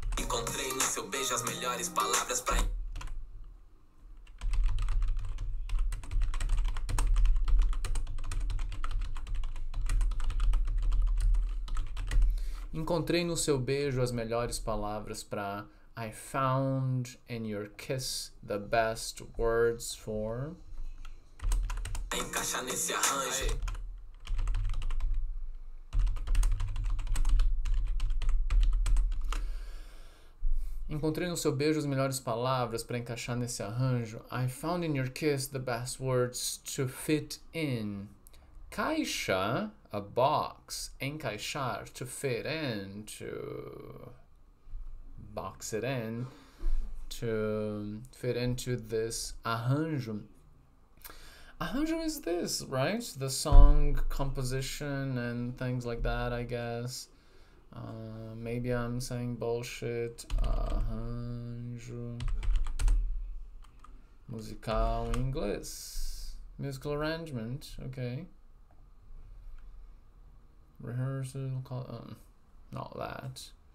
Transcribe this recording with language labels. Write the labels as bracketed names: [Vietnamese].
[Portuguese] Encontrei no seu beijo as melhores palavras pra. Encontrei no seu beijo as melhores palavras pra. [English] I found in your kiss the best words for. [Portuguese] Encaixa nesse arranjo. Aê. Encontrei no seu beijo as melhores palavras para encaixar nesse arranjo. [English] I found in your kiss the best words to fit in. Caixa, a box, encaixar, to fit in, to box it in, to fit into this arranjo. Arranjo is this, right? The song composition and things like that, I guess. Maybe I'm saying bullshit. [Portuguese] Arranjo musical em inglês. [English] Musical arrangement, ok. Rehearsal, not that.